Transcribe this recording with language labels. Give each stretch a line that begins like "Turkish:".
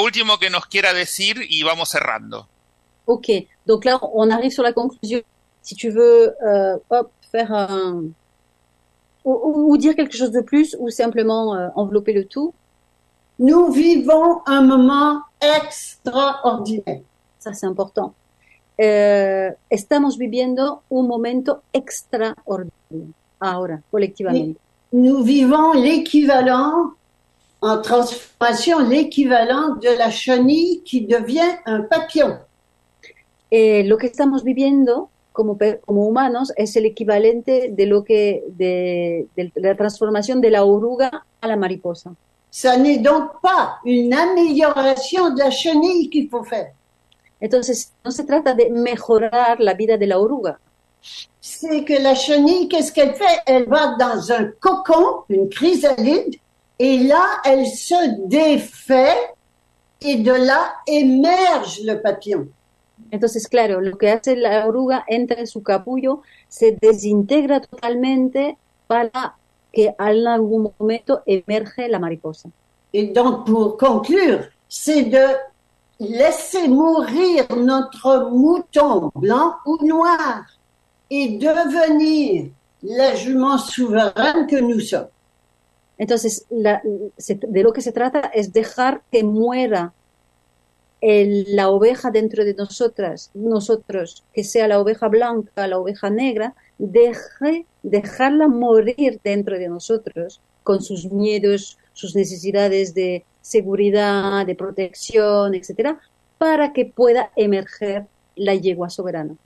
Spanish: Lo último que nos quiera decir y vamos cerrando.
French: Ok, donc là on arrive sur la conclusion. Si tu veux faire un ou dire quelque chose de plus ou simplement envelopper le tout. Nous vivons un moment extraordinaire. Ça c'est important.
Spanish: Estamos viviendo un momento extraordinario ahora colectivamente.
French: Nous vivons l'équivalent en transformation, l'équivalent de la chenille qui devient un papillon.
Spanish: Lo que estamos viviendo como humanos es el equivalente de la transformación de la oruga a la mariposa.
French: Ça n'est donc pas une amélioration de la chenille qu'il faut faire.
Spanish: Entonces, no se trata de mejorar la vida de la oruga.
French: C'est que la chenille, qu'est-ce qu'elle fait? Elle va dans un cocon, une chrysalide, et là, elle se défait, et de là émerge le papillon.
Spanish: Entonces, claro, lo que hace la oruga entra en su capullo, se desintegra totalmente para que en algún momento emerge la mariposa.
French: Et donc, pour conclure, c'est de laisser mourir notre mouton blanc ou noir et devenir la jument souveraine que nous sommes.
Spanish: Entonces, de lo que se trata es dejar que muera la oveja dentro de nosotros, que sea la oveja blanca, la oveja negra, dejarla morir dentro de nosotros con sus miedos, sus necesidades de seguridad, de protección, etcétera, para que pueda emerger la yegua soberana.